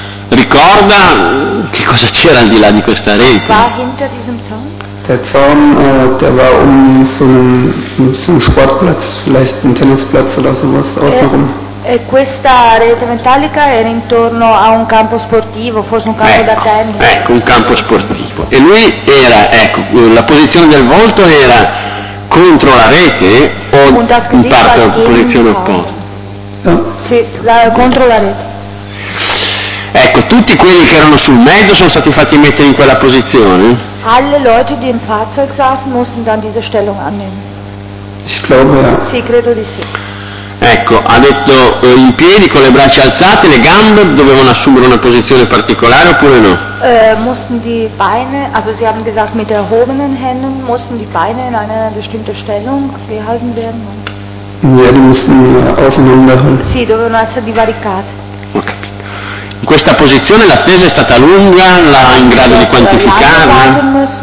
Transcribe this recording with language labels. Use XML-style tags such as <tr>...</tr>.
<it>Ricorda che cosa c'era al di là di questa rete?</it> <de>Was war hinter diesem Zaun? Der Zaun, der war so einen Sportplatz, vielleicht ein Tennisplatz oder sowas außenrum.</de> <it>E questa rete metallica era intorno a un campo sportivo, forse un campo ecco, da tennis. Ecco, un campo sportivo. E lui era, ecco, la posizione del volto era contro la rete o in parte la posizione opposta? Sì, contro la rete. Ecco, tutti quelli che erano sul mezzo sono stati fatti mettere in quella posizione?</it> <de>Alle Leute, die im Fahrzeug saßen, mussten dann diese Stellung annehmen. Ich glaube, ja.</de> <it>Sì, credo di sì. Ecco, ha detto in piedi, con le braccia alzate, le gambe dovevano assumere una posizione particolare oppure no?</it> <de>Mussten die Beine, also sie haben gesagt, mit erhobenen Händen mussten die Beine in einer bestimmten Stellung gehalten werden. Ja, die mussten auseinanderhalten.</de> <it>Sì, dovevano essere divaricate. Ho capito. In questa posizione l'attesa è stata lunga, l'ha in grado di quantificarla?</it>